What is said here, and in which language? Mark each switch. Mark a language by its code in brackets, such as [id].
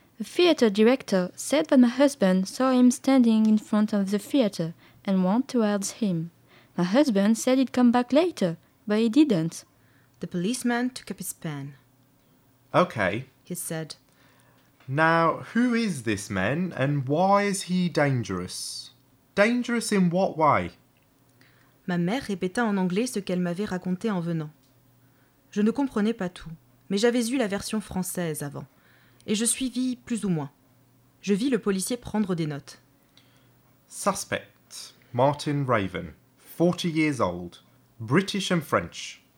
[en] The theatre director said that my husband saw him standing in front of the theatre and went towards him. My husband said he'd come back later, But he didn't. The policeman took up his pen. Okay, he said. Now, who is this man and why is he dangerous? Dangerous in what way? [fr] Ma mère répéta en anglais ce qu'elle m'avait raconté en venant. Je ne comprenais pas tout, mais j'avais eu la version française avant. Et je suivis plus ou moins. Je vis le policier prendre des notes. [en] Suspect, Martin Raven, 40 years old, British and French.